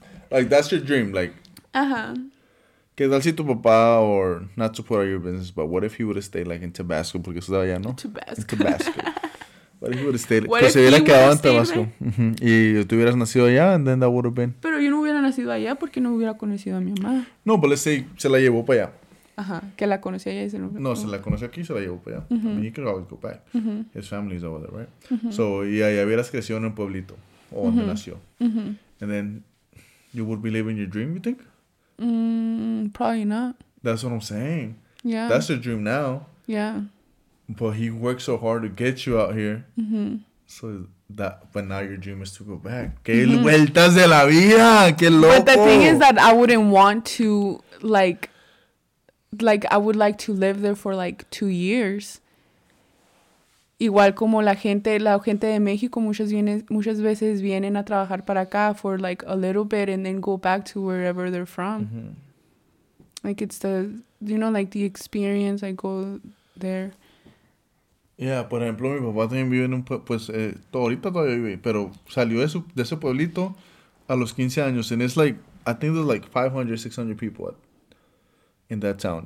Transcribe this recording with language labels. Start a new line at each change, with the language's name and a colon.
English: Like, that's your dream. Like,
Spanish: ¿qué tal si tu papá,
English: or not to put out your business, but what if he would have stayed, like, in Tabasco?
Spanish: Porque eso ya, ¿no? Tabasco.
English: What if he would have stayed?
Spanish: Pero se hubiera quedado en Tabasco. Y tú hubieras nacido allá,
English: and then that would have been.
Spanish: Pero yo no hubiera nacido allá porque no hubiera conocido a mi mamá.
English: No, but let's say
Spanish: se la llevó para allá. Ajá, que la conocí allá y se no. No, se la conoció aquí y se la llevó para allá.
English: I mean, he could always go back. His family's over there, right?
Spanish: So, y allá hubieras crecido en un pueblito, o donde nació.
English: And then, you would be living your dream, you think? Probably not. That's what I'm saying. Yeah. That's your dream now. Yeah. But he worked so hard to get you out here. So that, but now your dream is to go back.
Spanish: ¡Qué vueltas de la vida! ¡Qué loco!
English: But the thing is that I wouldn't want to, like, I would like to live there for, like, 2 years.
Spanish: Igual como la gente de México, muchas veces vienen a trabajar para acá
English: for, like, a little bit and then go back to wherever they're from.
Spanish: Like, it's the, you know, like, the experience, I go there. Yeah, por ejemplo, mi papá también vive en un pueblo, pues, ahorita todavía vive, pero salió de ese pueblito a los 15 años.
English: And it's like, I think there's like 500, 600 people in that town.